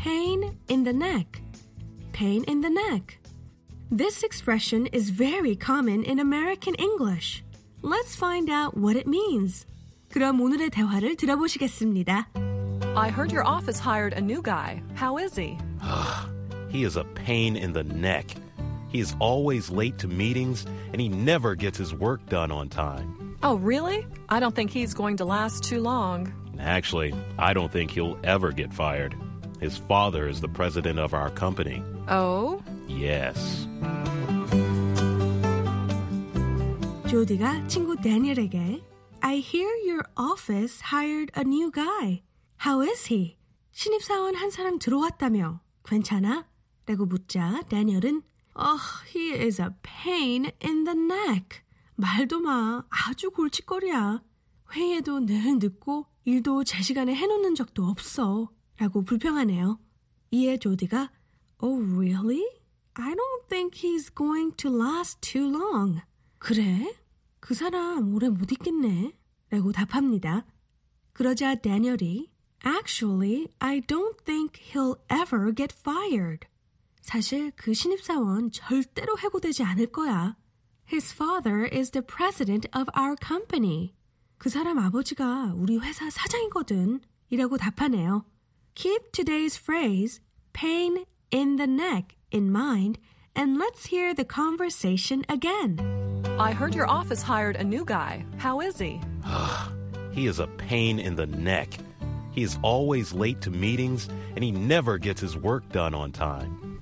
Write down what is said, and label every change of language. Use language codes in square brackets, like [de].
[en] 'Have you ever heard this American English phrase? Pain in the neck. Pain in the neck. This expression is very common in American English. Let's find out what it means. [ko] 그럼 오늘의 대화를 들어보시겠습니다. [en] I heard your office hired a new guy. How is he? He is a pain in the neck. He is always late to meetings, and he never gets his work done on time. Oh, really? I don't think he's going to last too long. Actually, I don't think he'll ever get fired. His father is the president of our company. Oh? Yes. [ko] 조디가 친구 대니엘에게 [en] I hear your office hired a new guy. How is he? [ko] 신입사원 한 사람 들어왔다며 괜찮아? 라고 묻자 대니엘은 [en] Oh, he is a pain in the neck. [ko] 말도 마, 아주 골칫거리야. 회의도 늘 늦고 일도 제 시간에 해놓는 적도 없어. 라고 불평하네요. 이에 조디가 [en] Oh, really? I don't think he's going to last too long. [ko] 그래? 그 사람 오래 못 있겠네. 라고 답합니다. 그러자 대니얼이 [en] Actually, I don't think he'll ever get fired. [ko] 사실 그 신입사원 절대로 해고되지 않을 거야. [en] His father is the president of our company. [ko] 그 사람 아버지가 우리 회사 사장이거든. 이라고 답하네요. [en] Keep today's phrase, pain in the neck, in mind, and let's hear the conversation again. I heard your office hired a new guy. How is he? He is a pain in the neck. He is always late to meetings, and he never gets his work done on time.